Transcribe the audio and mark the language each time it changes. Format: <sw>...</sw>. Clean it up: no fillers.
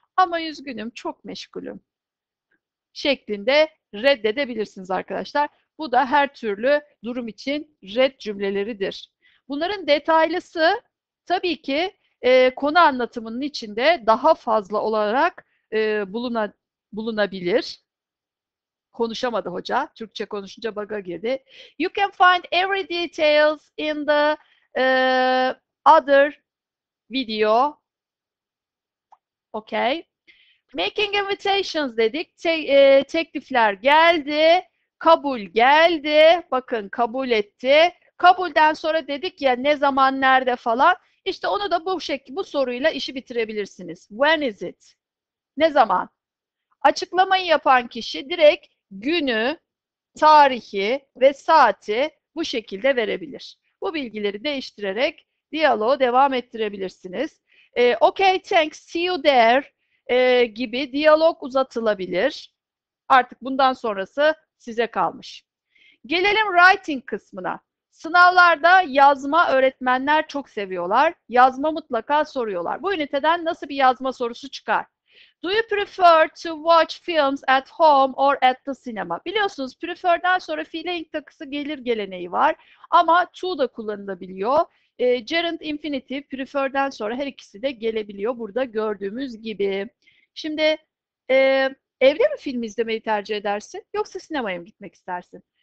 <tr>Ama üzgünüm, çok meşgulüm. Şeklinde reddedebilirsiniz arkadaşlar. Bu da her türlü durum için red cümleleridir. Bunların detaylısı tabii ki konu anlatımının içinde daha fazla olarak bulunabilir. Konuşamadı hoca. Türkçe konuşunca bug'a girdi.</tr> <en>You can find every details in the other video.</en> <tr>Okay. Making invitations dedik. Teklifler geldi. Kabul geldi. Bakın kabul etti. Kabulden sonra dedik ya ne zaman nerede falan. İşte onu da bu soruyla işi bitirebilirsiniz. When is it? Ne zaman? Açıklamayı yapan kişi direkt günü, tarihi ve saati bu şekilde verebilir. Bu bilgileri değiştirerek diyaloğu devam ettirebilirsiniz. Okay, thanks, see you there gibi diyalog uzatılabilir. Artık bundan sonrası size kalmış. Gelelim writing kısmına. Sınavlarda yazma öğretmenler çok seviyorlar. Yazma mutlaka soruyorlar. Bu üniteden nasıl bir yazma sorusu çıkar?</tr> <en>Do you prefer to watch films at home or at the cinema?</en> <tr>Biliyorsunuz prefer'den sonra feeling takısı gelir geleneği var. Ama to da kullanılabiliyor. Gerund infinitive prefer'den sonra her ikisi de gelebiliyor burada gördüğümüz gibi. Şimdi evde mi film izlemeyi tercih edersin yoksa sinemaya mı gitmek istersin?</tr>